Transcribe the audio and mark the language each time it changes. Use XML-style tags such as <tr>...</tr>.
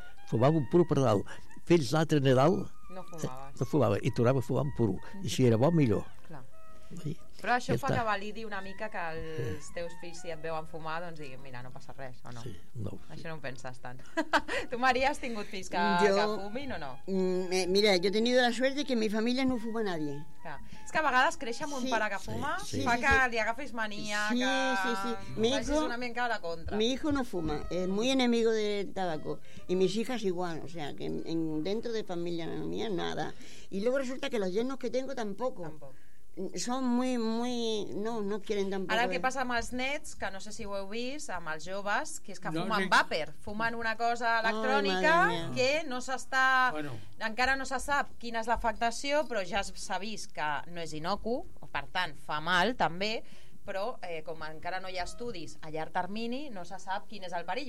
<ca>Fumava un puro per Nadal. Fins l'altre Nadal no fumava, i tornava a fumar un puro. I si era bo, millor. Clar. Però això ja fa que validi una mica que els teus fills, si et veuen fumar, doncs diguin, mira, no passa res, o no? Sí, no. Això no ho penses tant. Tu, Maria, has tingut fills que fumin o no?</ca> <es>Mira, yo he tenido la suerte que en mi familia no fuma nadie.</es> <ca>Clar. És que a vegades creix amb un pare que fuma, sí, fa que li agafis mania, sí. Vagis una mica a la contra.</ca> <es>Mi hijo no fuma, es muy enemigo del tabaco. Y mis hijas igual, o sea, que dentro de familia mía, nada. Y luego resulta que los yernos que tengo tampoco. Són muy... No quieren tampoco...</es> <ca>Ara el que passa amb els nets, que no sé si ho heu vist, amb els joves, que és que fumen vaper, fumen una cosa electrònica que no s'està... Bueno. Encara no se sap quina és l'afectació, però ja s'ha vist que no és innocu, per tant, fa mal també, però com encara no hi ha estudis a llarg termini, no se sap quin és el perill.</ca>